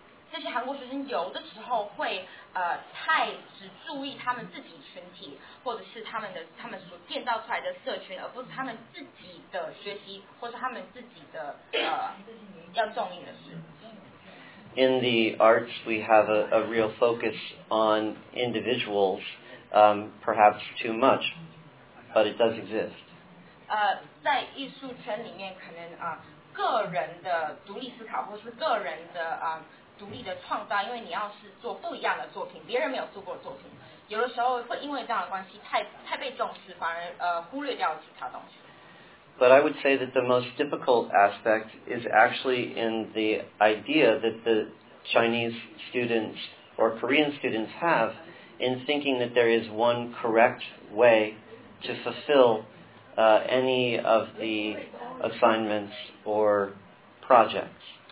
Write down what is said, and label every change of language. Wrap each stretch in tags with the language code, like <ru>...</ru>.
<zh>这些韩国学生有的时候会太只注意他们自己群体，或者是他们的所建造出来的社群，而不是他们自己的学习或者他们自己的要重视的事。</zh> <en>In the arts, we have a real focus on individuals, perhaps too much, but it does exist.</en> <zh>在艺术圈里面，可能个人的独立思考，或是个人的独立的创造，因为你要是做不一样的作品，别人没有做过的作品，有的时候会因为这样的关系，太被重视，反而忽略掉其他东西。</zh> <en>But I would say that the most difficult aspect is actually in the idea that the Chinese students or Korean students have in thinking that there is one correct way to fulfill any of the assignments or projects.</en>